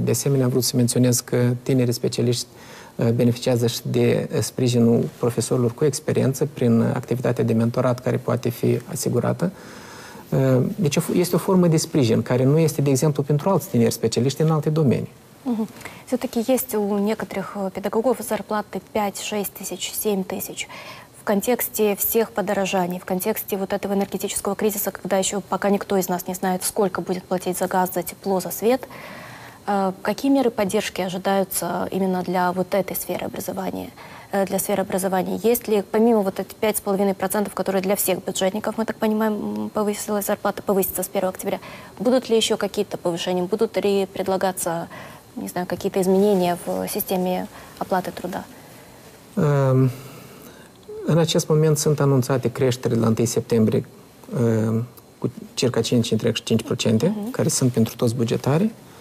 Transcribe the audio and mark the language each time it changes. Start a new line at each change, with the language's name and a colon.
Romanian: De asemenea, am vrut să menționez că tinerii specialiști beneficiază și de sprijinul profesorilor cu experiență prin activitatea de mentorat care poate fi asigurată. Deci este o formă de sprijin care nu este, de exemplu, pentru alți tineri specialiști în alte domenii. Угу.
Russian: Все-таки есть у некоторых педагогов зарплаты 5-6 тысяч, 7 тысяч. В контексте всех подорожаний, в контексте вот этого энергетического кризиса, когда еще пока никто из нас не знает, сколько будет платить за газ, за тепло, за свет, какие меры поддержки ожидаются именно для вот этой сферы образования? Для сферы образования? Есть ли, помимо вот этих 5,5%, которые для всех бюджетников, мы так понимаем, повысилась зарплата, повысится с 1 октября, будут ли еще какие-то повышения, будут ли предлагаться... не знаю, какие-то изменения в системе оплаты труда?
Romanian: În acest moment sunt anunțate creșteri la 1 septembrie cu circa 5,5%, uh-huh, care sunt pentru toți bugetarii.